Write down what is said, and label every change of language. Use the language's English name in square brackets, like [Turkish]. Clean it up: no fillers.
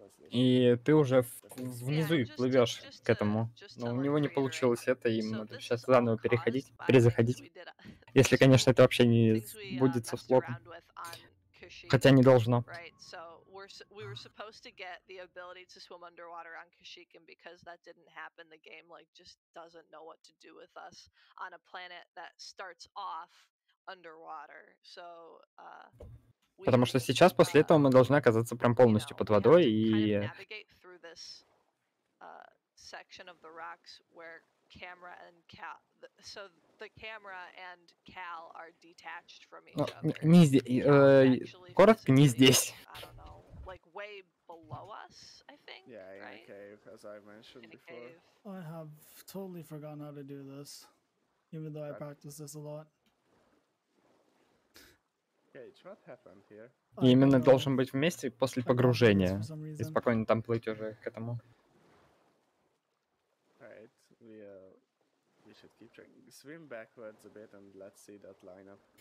[Russian] И ты уже внизу и плывешь к этому. Но у него не получилось это, и ему надо сейчас заново переходить, перезаходить. Если, конечно, это вообще не будет со слотом. Хотя не должно. [English] We were supposed to get the ability to swim underwater on Kashyyyk, and because that didn't happen, the game like just doesn't know what to do with us on a planet that starts off underwater. So, [Russian] потому что сейчас после этого мы должны оказаться прям полностью под водой и [English] navigate through this section of the rocks where camera and Cal, so the camera and Cal are detached from each other. [Russian] Не здесь. Коротко, не здесь. [English] Like way below us, I think. Yeah, in right? a cave, as I mentioned in before. I have totally forgotten how to do this, even though I practice this a lot. Cage, what happened here? [Russian] И именно должен быть вместе после погружения и спокойно там плыть уже к этому. [English] Right, we should keep trying. Swim backwards a bit and let's see that lineup.